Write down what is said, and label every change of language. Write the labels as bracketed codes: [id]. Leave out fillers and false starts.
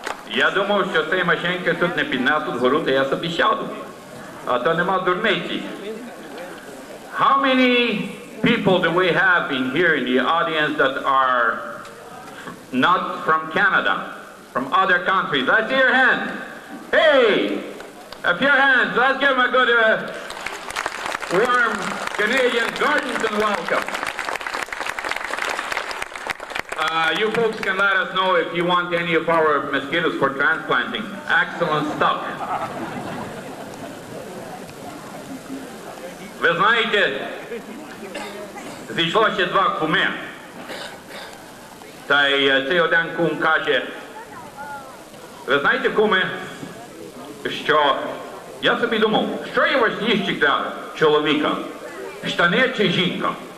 [uk] Я думав, що цей Машенька тут не піднесе тут гору, та я собі сяду. А то нема дурниці. [en] How many people do we have in here in the audience that are not from Canada, from other countries? Let's see your hand. Hey, a few hands. Let's give them a good warm Canadian Gardenton welcome. You folks can let us know if you want any of our mosquitoes for transplanting. Excellent stuff. [uk] Ви знаєте, зійшло ще два куми. Та й цей один кум каже, ви знаєте, куми, що я собі думав, що є важніше для чоловіка, штани чи жінка?